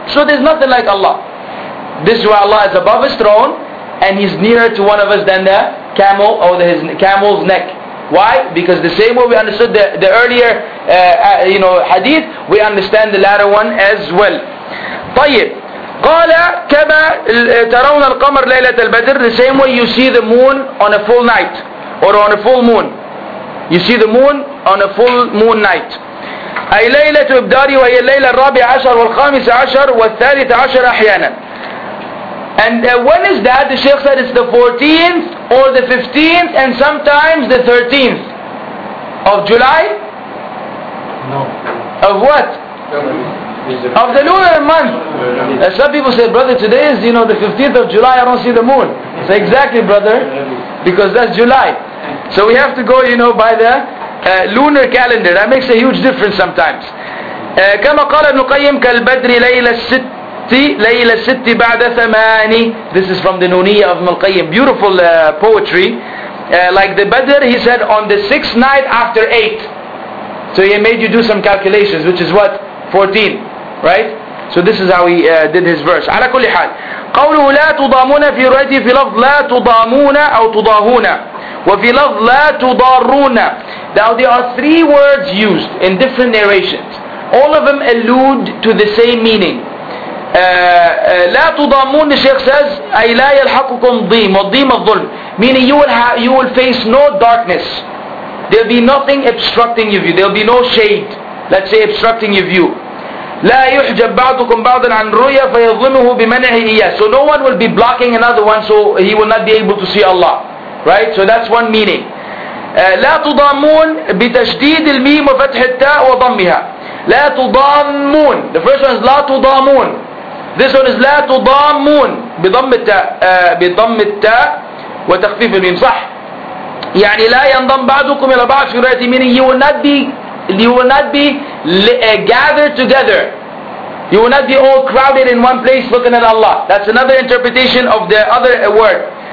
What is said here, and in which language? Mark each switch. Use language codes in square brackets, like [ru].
[en] So there's nothing like Allah. This is why Allah is above his throne, and he's nearer to one of us than the camel or his camel's neck. Why? Because the same way we understood the earlier hadith, we understand the latter one as well. [ar] طيب. قال كما ترون القمر ليلة البدر. [en] The same way you see the moon on a full night or on a full moon. You see the moon on a full moon night. [ar] أي ليلة إبداري وهي الليلة الرابع عشر والخامس عشر والثالث عشر أحيانا. [en] And when is that? The Sheikh said it's the 14th or the 15th and sometimes the 13th of July. No. Of what? Of the lunar month. Some people say, brother, today is, you know, the 15th of July, I don't see the moon. I say, exactly, brother, because that's July. So we have to go, you know, by the lunar calendar. That makes a huge difference sometimes. [ar] كما قال ابن القيم كالبدر ليلة ستة بعد ثماني. [en] This is from the Nuniyah of ابن القيم. Beautiful poetry. Like the Badr, he said, on the sixth night after eight. So he made you do some calculations, which is what? 14, right? So this is how he did his verse. [ar] على كل حال قوله لا تضامون في رؤيته في لفظ لا تضامون أو تضاهون وفي لفظ لا تضارون. [en] Now there are three words used in different narrations. All of them allude to the same meaning. [ar] لا تضامون, [en] the Sheikh says, [ar] أي لا يلحقكم ضيم والضيم الظلم, [en] meaning you will face no darkness. There'll be nothing obstructing you. There'll be no shade, let's say, obstructing your view. [ar] لا يحجب بعضكم بعضا عن رؤيا فيظلمه بمنعه إياه. [en] So no one will be blocking another one, so he will not be able to see Allah, right? So that's one meaning. [ar] لا تضامون بتشديد الميم وفتح التاء وضمها. لا تضامون. [en] The first one is [ar] لا تضامون. This one is لا تضامون بضم التاء وتخفيف الميم. صح. يعني لا ينضم بعضكم إلى بعض في رؤيته. [en] Meaning you will not be gathered together. You will not be all crowded in one place looking at Allah. That's another interpretation of the other word.